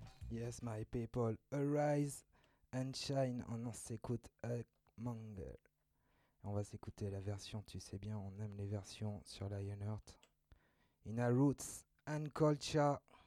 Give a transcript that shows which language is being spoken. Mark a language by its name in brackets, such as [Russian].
[English] Yes, my people, arise and shine. [French] On s'écoute Hugmonger. On va s'écouter la version, tu sais bien, on aime les versions sur Lionheart. [English] In our roots and culture.